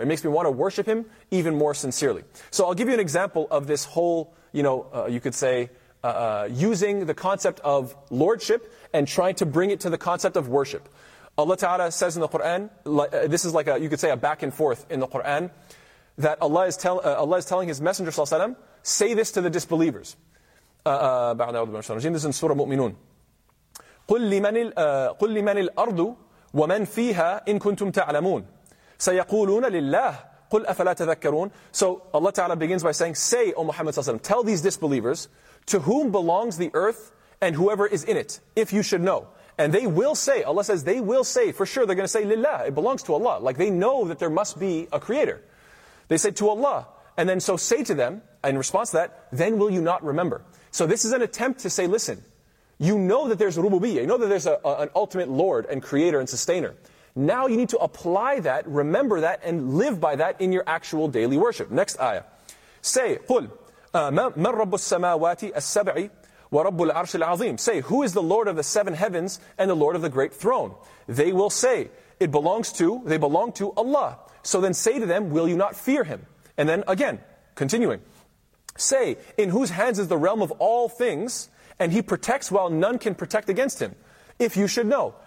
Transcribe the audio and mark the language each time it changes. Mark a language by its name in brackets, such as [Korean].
[English] It makes me want to worship Him even more sincerely. So I'll give you an example of this whole, using the concept of lordship and trying to bring it to the concept of worship. Allah Ta'ala says in the Qur'an, this is like a, you could say a back and forth in the Qur'an, that Allah is telling His Messenger Sallallahu Alaihi Wasallam, say this to the disbelievers. This is in Surah Mu'minun. [Arabic] قل لمن الأرض ومن فيها إن كنتم تعلمون سيقولون لله قل أفلا تذكرون. [English] So Allah Ta'ala begins by saying, say, O Muhammad Sallallahu Alaihi Wasallam, tell these disbelievers, to whom belongs the earth and whoever is in it, if you should know. And they will say, Allah says, they will say, for sure, they're going to say, لله, it belongs to Allah. Like, they know that there must be a creator. They say, to Allah. And then, so say to them, in response to that, then will you not remember? So this is an attempt to say, listen, you know that there's rububiyyah, you know that there's an ultimate Lord and creator and sustainer. Now you need to apply that, remember that, and live by that in your actual daily worship. Next ayah. [Arabic] Say, قل, من رب السماوات السبع ورب العرش العظيم. [English] Say, who is the Lord of the seven heavens and the Lord of the great throne? They will say, they belong to Allah. So then say to them, will you not fear Him? And then again, continuing. Say, in whose hands is the realm of all things, and He protects while none can protect against Him, if you should know.